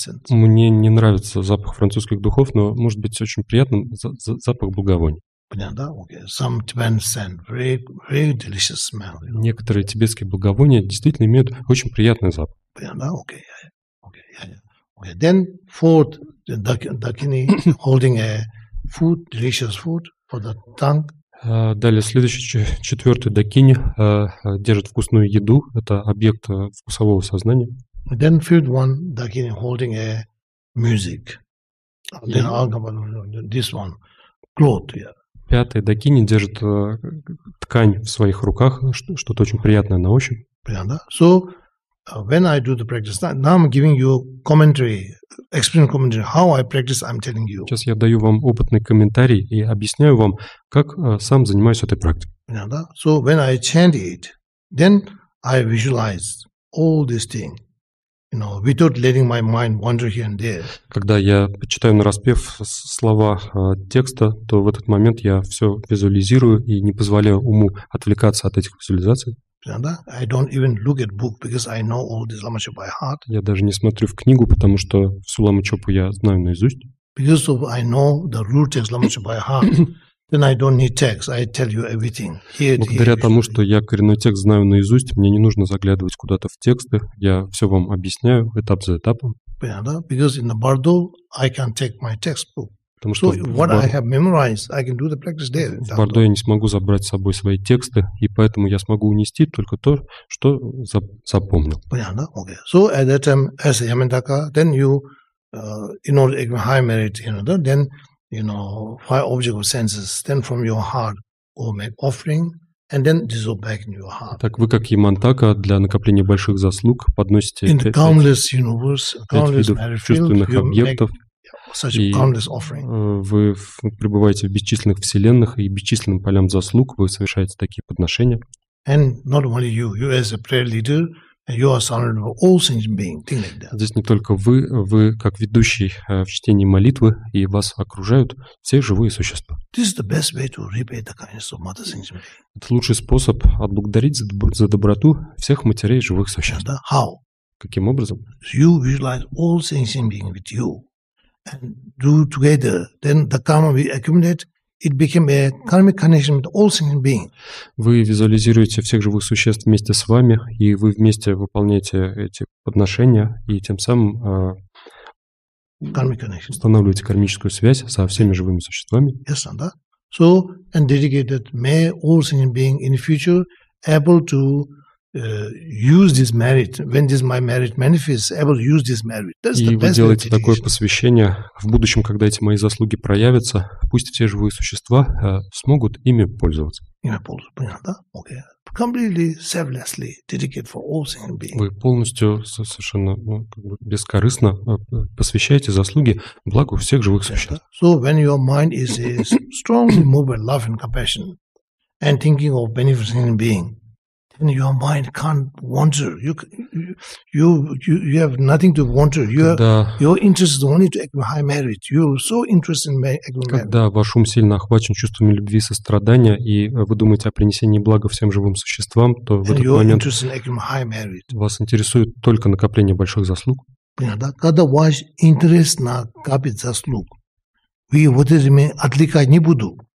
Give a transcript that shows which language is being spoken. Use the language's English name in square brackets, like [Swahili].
[Russian] Мне не нравится запах французских духов, но может быть очень приятным запах благовоний. Некоторые тибетские благовония действительно имеют очень приятный запах. [English] Then fourth, the dakini holding a food, delicious food for the tongue. [Russian] Далее, следующий, четвертый дакини держит вкусную еду. Это объект вкусового сознания. [English] Then fifth one, dakini holding a music. Then this one, cloth. [Russian] Пятый дакини держит ткань в своих руках, что-то очень приятное на ощупь. [English] So when I do the practice, now I'm giving you commentary, explain commentary, how I practice, I'm telling you. [Russian] Сейчас я даю вам опытный комментарий и объясняю вам, как сам занимаюсь этой практикой. [English] So when I chant it, then I visualize all these things. You know, without letting my mind wander here and there. [Russian] Когда я почитаю нараспев слова текста, то в этот момент я все визуализирую и не позволяю уму отвлекаться от этих визуализаций. [English] I don't even look at book because I know all this Lama Chöpa by heart. [Russian] Я даже не смотрю в книгу, потому что всю Лама Чопу я знаю наизусть. [English] Because of I know the root text Lama Chöpa by heart. Then I don't need text. I tell you everything. [Russian] Благодаря тому, что я коренной текст знаю наизусть, мне не нужно заглядывать куда-то в тексты. Я все вам объясняю этап за этапом. [English] Because in the Bardo, I can take my textbook. So what I have memorized, I can do the practice there. [Russian] В Бардо я не смогу забрать с собой свои тексты, и поэтому я смогу унести только то, что запомнил. [English] Okay. So at that time, as a Yamantaka, then you, in order to get high merit, you know, then you know, five objects of senses, then from your heart go make offering, and then dissolve back in your heart. [Russian] Так вы как Ямантака для накопления больших заслуг подносите [English] in the countless universe, countless [Russian] чувственных объектов, [English] such a countless offering. [Russian] Вы пребываете в бесчисленных вселенных и бесчисленным полям заслуг, вы совершаете такие подношения. [English] And not only you, you as a prayer leader, you are surrounded by all sentient beings, things like that. [Russian] Здесь не только вы как ведущий в чтении молитвы, и вас окружают все живые существа. [English] This is the best way to repay the kindness of mother sentient beings. [Russian] Это лучший способ отблагодарить за доброту всех матерей живых существ. [English] And how? [Russian] Каким образом? [English] You visualize all sentient beings with you and do together, then the karma we accumulate, it became a karmic connection with all sentient beings. [Russian] Вы визуализируете всех живых существ вместе с вами, и вы вместе выполняете эти подношения, и тем самым устанавливаете кармическую связь со всеми живыми существами. [English] Yes, and that. So, and dedicated, may all sentient beings in the future able to use this merit, when this my merit manifests, I will use this merit. That's [Russian] и вы делаете такое посвящение в будущем, когда эти мои заслуги проявятся, пусть все живые существа смогут ими пользоваться. Ими пользоваться, понятно, да? [English] Okay. Completely selflessly dedicate for all sentient beings. [Russian] Вы полностью совершенно бескорыстно посвящаете заслуги благу всех живых существ. [English] So when your mind is strongly moved by love and compassion and thinking of beneficent being, and your mind can't wander. You have nothing to wander. Your interest is only to acquire high merit. You're so interested in acquiring merit. [Russian] Когда ваш ум сильно охвачен чувствами любви и сострадания, и вы думаете о принесении блага всем живым существам, то в этот момент вас интересует только накопление больших заслуг. Когда ваш интерес накопить заслуг, вы вот этими отвлекать не буду.